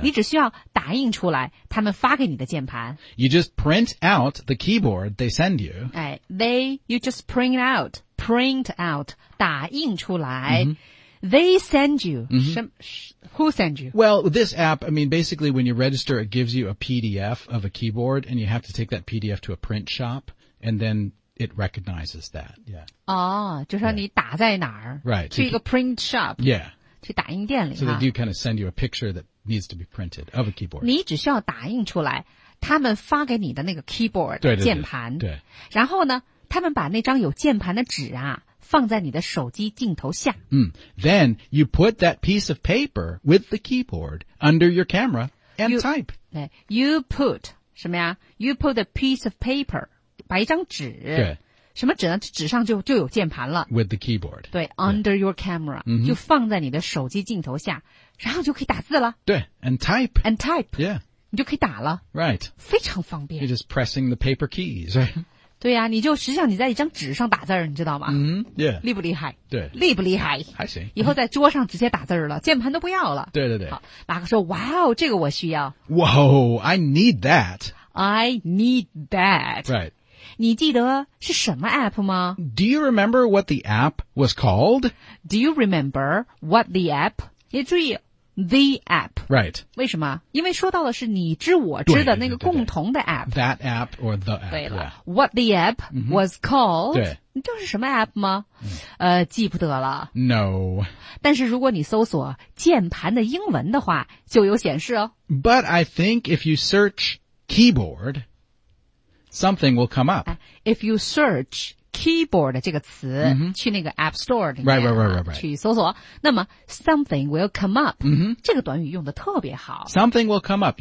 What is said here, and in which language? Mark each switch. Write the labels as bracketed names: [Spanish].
[Chinese] 你只需要打印出来他们发给你的键盘。 [English] You just print out the keyboard they send you. You just print out, [Chinese] 打印出来。 Mm-hmm. [English] They send you.、 Mm-hmm. Who send you? Well, this app, I mean, basically when you register, it gives you a PDF of a keyboard and you have to take that PDF to a print shop and thenIt recognizes that, yeah. [Chinese] Oh, 就是说你打在哪儿 [English] Right. [Chinese] 去一个 print shop. [English] Yeah. [Chinese] 去打印店里。 [English] So they do kind of send you a picture that needs to be printed of a keyboard. [Chinese] 你只需要打印出来他们发给你的那个 keyboard, 对对对键盘。对。然后呢他们把那张有键盘的纸啊放在你的手机镜头下。 Mm. [English] Then you put that piece of paper with the keyboard under your camera and you, type. 对 You put, 什么呀 You put a piece of paper. [Chinese] 把一张纸什么纸上就有键盘了。 [English] With the keyboard. 对 ,under your camera,、 mm-hmm. [Chinese] 就放在你的手机镜头下然后就可以打字了。 [English] 对 ,and type. And type. Yeah. [Chinese] 你就可以打了。 [English] Right. [Chinese] 非常方便。 [English] You're just pressing the paper keys, right? [Chinese] 对啊你就实际上你在一张纸上打字你知道吗、 [English] mm-hmm. Yeah. [Chinese] 厉不厉害对。厉不厉害还行。以后在桌上直接打字了键盘都不要了。对对对。好马克说哇哦这个我需要。 [English] Whoa, I need that. I need that. Right. [Chinese] 你记得是什么 app 吗 [English] ?Do you remember what the app was called?Do you remember what the app? [Chinese] 也注意 [English] ,the app. Right. [Chinese] 为什么因为说到的是你知我知的那个共同的 app. [English] 对对对对 that app or the app. [Chinese] 对了、 [English] yeah. ,what the app was called. [Chinese] 对。你知道是什么 app 吗、嗯、记不得了。 [English] No. [Chinese] 但是如果你搜索键盘的英文的话就有显示哦。 [English] But I think if you search keyboard,Something will come up. If you search keyboard [Chinese] 这个词、 mm-hmm. 去那个 App Store 里面、 [English] right. [Chinese] 去搜索那么 [English] something will come up、 mm-hmm. [Chinese] 这个短语用得特别好 [English] Something will come up.